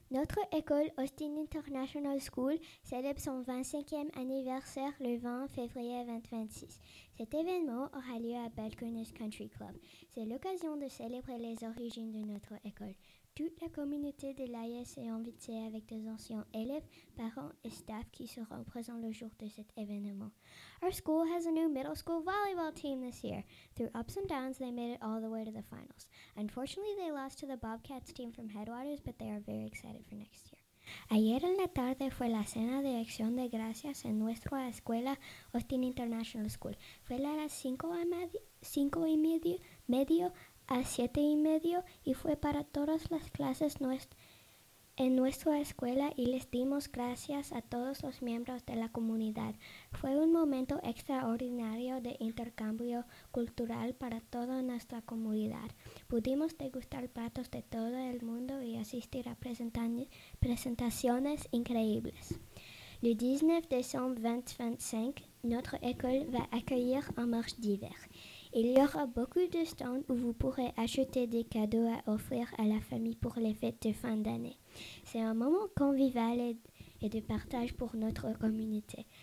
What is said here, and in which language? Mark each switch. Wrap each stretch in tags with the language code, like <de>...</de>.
<fr>Notre école Austin International School célèbre son 25e anniversaire le 20 février 2026. Cet événement aura lieu à Balcones Country Club. C'est l'occasion de célébrer les origines de notre école. Toute la communauté de l'AIS est invitée avec des anciens élèves, parents et staff qui seront présents le jour de cet événement.</fr> <en>Our school has a new middle school volleyball team this year. Through ups and downs, they made it all the way to the finals. Unfortunately, they lost to the Bobcats team from Headwaters, but they are very excited for next year.</en> <es>Ayer en la tarde fue la cena de acción de gracias en nuestra escuela Austin International School. Fue a las 5:30 a 7:30 y fue para todas las clases en nuestra escuela y les dimos gracias a todos los miembros de la comunidad. Fue un momento extraordinario de intercambio cultural para toda nuestra comunidad. Pudimos degustar platos de todo el mundo y asistir a presentaciones increíbles.</es> <fr>Le 19 décembre 2025, notre école va accueillir un marché d'hiver. Il y aura beaucoup de stands où vous pourrez acheter des cadeaux à offrir à la famille pour les fêtes de fin d'année. C'est un moment convivial et de partage pour notre communauté.</fr>